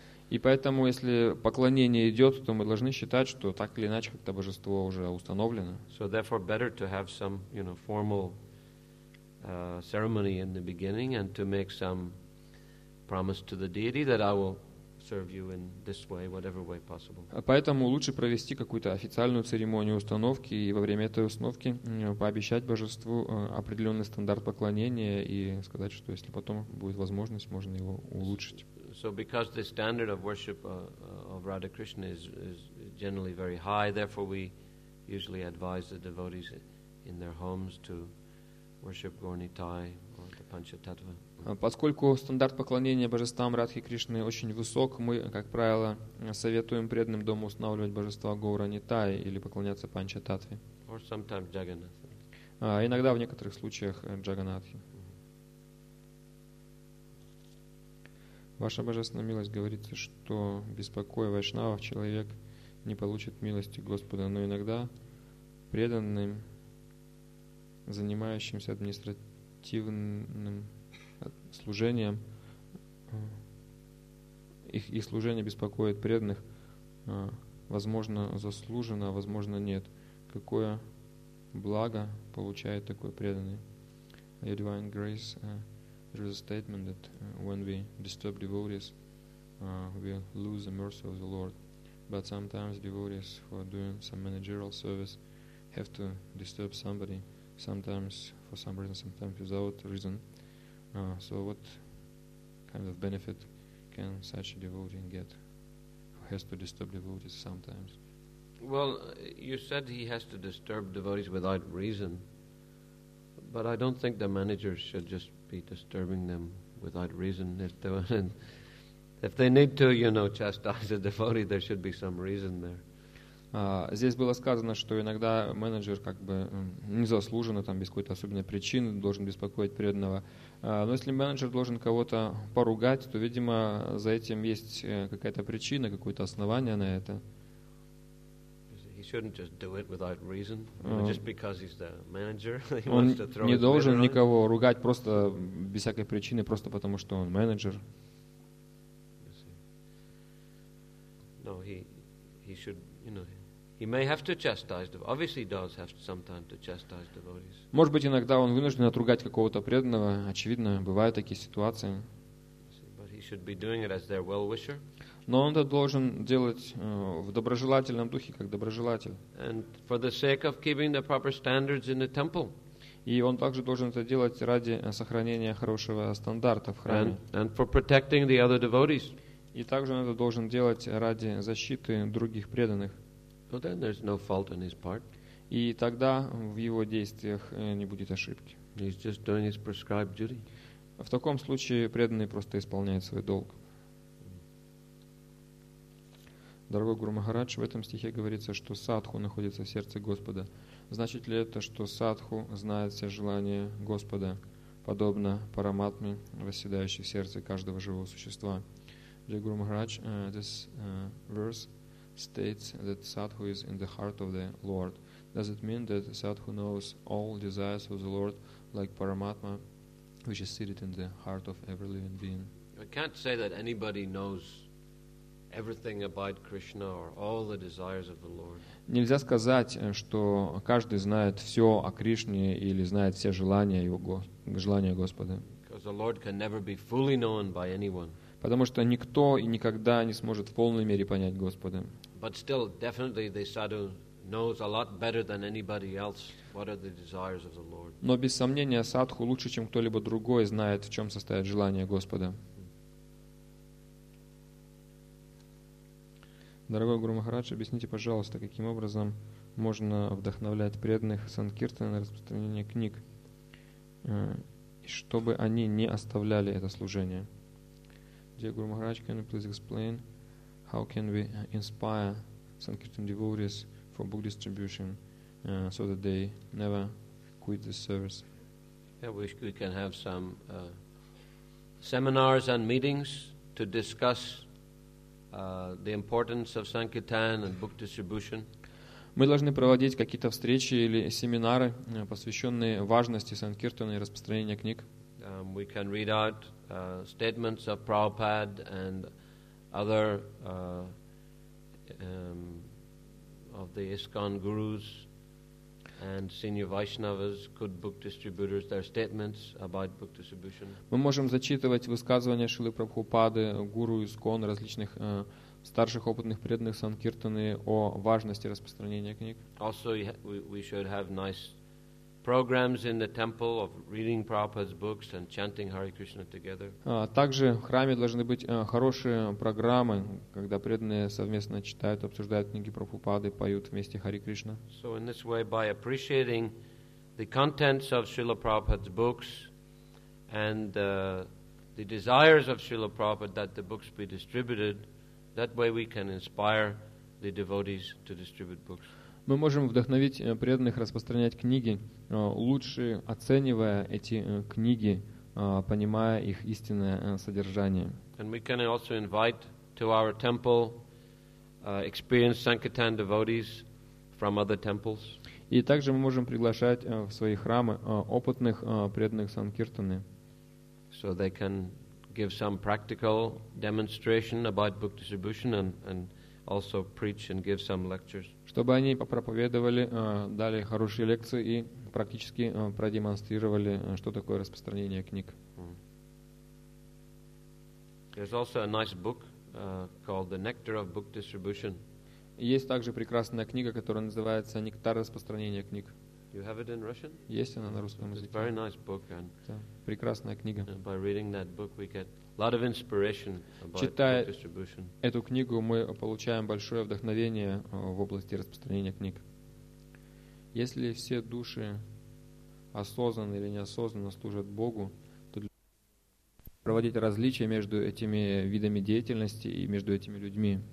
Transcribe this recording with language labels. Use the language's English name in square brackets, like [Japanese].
[Russian] И поэтому, если поклонение идет, то мы должны считать, что так или иначе как-то божество уже установлено. [English] So therefore better to have some, you know, formal ceremony in the beginning and to make some promise to the deity that I will serve you in this way, whatever way possible. [Russian] Поэтому лучше провести какую-то официальную церемонию установки и во время этой установки пообещать божеству определенный стандарт поклонения и сказать, что если потом будет возможность, можно его улучшить. [English] So because the standard of worship of Radha Krishna is generally very high, therefore we usually advise the devotees in their homes to worship Gornitai or the Panchatattva. [Russian] Поскольку стандарт поклонения божествам Радхи Кришны очень высок, мы, как правило, советуем преданным дома устанавливать божества Гауранитай или поклоняться Панчататве. [English] Or sometimes Jagannath. [Russian] Иногда в некоторых случаях Джаганатхи. Mm-hmm. Ваша божественная милость, говорится, что беспокоя вайшнавов, человек не получит милости Господа, но иногда преданным, занимающимся административным служением, их служение беспокоит преданных, возможно, заслуженно, а возможно, нет. Какое благо получает такой преданный? [English] Your divine grace, there is a statement that when we disturb devotees, we lose the mercy of the Lord. But sometimes devotees who are doing some managerial service have to disturb somebody, sometimes for some reason, sometimes without reason. So what kind of benefit can such a devotee get who has to disturb devotees sometimes? Well, you said he has to disturb devotees without reason, but I don't think the managers should just be disturbing them without reason. If they need to, you know, chastise a devotee, there should be some reason there. [Russian] Здесь было сказано, что иногда менеджер как бы незаслуженно, там, без какой-то особенной причины, должен беспокоить преданного. Но если менеджер должен кого-то поругать, то, видимо, за этим есть какая-то причина, какое-то основание на это. [English] He shouldn't just do it without reason, just because he's the manager. [Russian] Он не должен никого ругать просто без всякой причины, просто потому что он менеджер. [English] No, he should, you know, He may have to chastise devotees. Obviously, he does have sometimes to chastise devotees. [Russian] Может быть, иногда он вынужден отругать какого-то преданного. Очевидно, бывают такие ситуации. [English] But he should be doing it as their well-wisher. [Russian] Но он это должен делать в доброжелательном духе, как доброжелатель. [English] And for the sake of keeping the proper standards in the temple. [Russian] И он также должен это делать ради сохранения хорошего стандарта в храме. [English] And for protecting the other devotees. [Russian] И также он это должен делать ради защиты других преданных. [English] Well, then there's no fault on his part. [Russian] И тогда в его действиях не будет ошибки. [English] He's just doing his prescribed duty. [Russian] В таком случае преданный просто исполняет свой долг. Дорогой Гуру Махарадж, в этом стихе говорится, что садху находится в сердце Господа. Значит ли это, что садху знает все желания Господа, подобно параматме, восседающей в сердце каждого живого существа? [English] Dear Guru Maharaj, this verse states that Sadhu is in the heart of the Lord. Does it mean that Sadhu knows all desires of the Lord like Paramatma, which is seated in the heart of every living being? I can't say that anybody knows everything about Krishna or all the desires of the Lord. [Russian] Нельзя сказать, что каждый знает все о Кришне или знает все желания Его, желания Господа. [English] Because the Lord can never be fully known by anyone. [Russian] Потому что никто и никогда не сможет в полной мере понять Господа. [English] But still, definitely, the sadhu knows a lot better than anybody else what are the desires of the Lord. [Russian] Но без сомнения, садху лучше, чем кто-либо другой, знает, в чем состоит желание Господа. Дорогой Гуру Махарадж, объясните, пожалуйста, каким образом можно вдохновлять преданных санкиртаны на распространение книг, чтобы они не оставляли это служение. [English] Dear Guru Maharaj, can you please explain how can we inspire Sankirtan devotees for book distribution so that they never quit this service? I wish we can have some seminars and meetings to discuss the importance of Sankirtan and book distribution. [Russian] Мы должны проводить какие-то встречи или семинары, посвященные важности Санкиртана и распространения книг. [English] We can read out statements of Prabhupada and other of the ISKCON gurus and senior Vaishnavas, good book distributors, their statements about book distribution. [Russian] Мы можем зачитывать высказывания Шрилы Прабхупады, гуру ИСККОН, различных старших опытных преданных Санкиртаны о важности распространения книг. [English] Also, we should have nice programs in the temple of reading Prabhupada's books and chanting Hare Krishna together. [Russian] Также в храме должны быть хорошие программы, когда преданные совместно читают, обсуждают книги Прабхупады, поют вместе Hare Krishna. [English] So in this way, by appreciating the contents of Srila Prabhupada's books and the desires of Srila Prabhupada that the books be distributed, that way we can inspire the devotees to distribute books. [Russian] Мы можем вдохновить преданных распространять книги, лучше оценивая эти книги, понимая их истинное содержание. [English] And we can also invite to our temple experienced Sankirtan devotees from other temples. [Russian] И также мы можем приглашать в свои храмы опытных преданных Санкиртаны. [English] So they can give some practical demonstration about book distribution and also preach and give some lectures. [Russian] Чтобы они попроповедовали, дали хорошие лекции и практически продемонстрировали, что такое распространение книг. [English] There's also a nice book called The Nectar of Book Distribution. [Russian] Есть также прекрасная книга, которая называется «Нектар распространения книг». [English] You have it in Russian? [Russian] Есть она на русском языке. [English] It's a very nice book. And [Russian] прекрасная книга. [English] By reading that book, we get a lot of inspiration about [Russian] читая [English] book distribution. [Russian] Эту книгу, мы получаем большое вдохновение в области распространения книг. Если все души осознанно или неосознанно служат Богу, то для проводить различия между этими видами деятельности и между этими людьми.